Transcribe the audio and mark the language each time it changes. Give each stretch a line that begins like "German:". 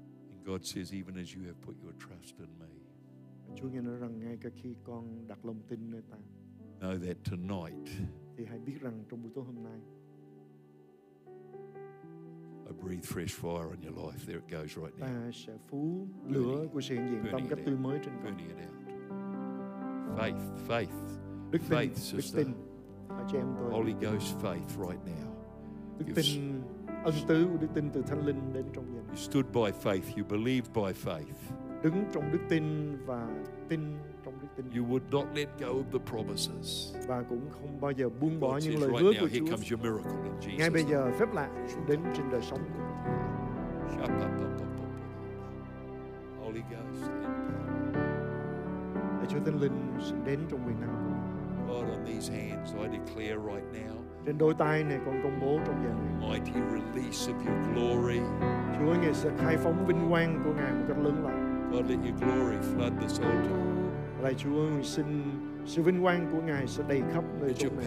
English: And God says, even as you have put your trust in me,
Vietnamese: Chúa nghe nói rằng ngay cả khi con đặt lòng tin nơi ta,
English: know that tonight,
Vietnamese: thì hãy biết rằng trong buổi tối hôm nay,
English: I breathe fresh fire on your life. There it goes right now.
Vietnamese: Ta sẽ phú lửa của sự hiện diện trong cách tươi mới trên con.
English: Burning it out. Faith,
Vietnamese: đức tin,
English: faith,
Vietnamese: đức tin. Tôi,
English: Holy Ghost faith right now.
Vietnamese: Đức tin, ân tứ của đức tin từ Thánh Linh đến trong danh.
English: You stood by faith, you believed by faith.
Vietnamese: Đứng trong đức tin và tin trong đức tin.
English: You would not let go of the promises.
Vietnamese: Và cũng không bao giờ buông bỏ
English: God
Vietnamese: những lời
English: right
Vietnamese: hứa
English: now,
Vietnamese: của Chúa.
English: Here comes your miracle in Jesus.
Vietnamese: Ngay bây giờ phép lạ đến trên đời sống của chúng ta.
English: Holy Ghost and power.
Vietnamese: Chúa Thánh Linh đến trong quyền năng.
English: God, on these hands, I declare right now.
Vietnamese: Trên đôi tay này, con công bố trong giờ này.
English: Mighty release of your glory.
Vietnamese: Chúa ngài sẽ khai phóng vinh quang của ngài một cách lớn lao.
English: God, let your glory flood this altar.
Vietnamese: Lạy Chúa, xin sự vinh quang của ngài sẽ đầy khắp nơi chúng này.